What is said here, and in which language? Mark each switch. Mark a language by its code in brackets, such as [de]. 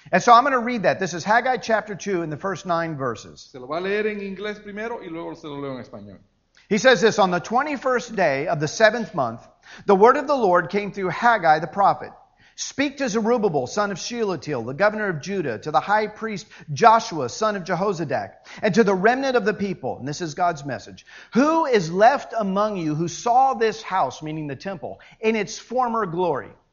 [en] And so I'm going to read that. This is Haggai chapter 2 in the first 9 verses. [es] Se lo va a leer en inglés primero y luego se lo leo en español. [en] He says this, on the 21st day of the 7th month, the word of the Lord came through Haggai the prophet. Speak to Zerubbabel, son of Shealtiel, the governor of Judah, to the high priest Joshua, son of Jehozadak, and to the remnant of the people. And this is God's message. Who is left among you who saw this house, meaning the temple, in its former glory?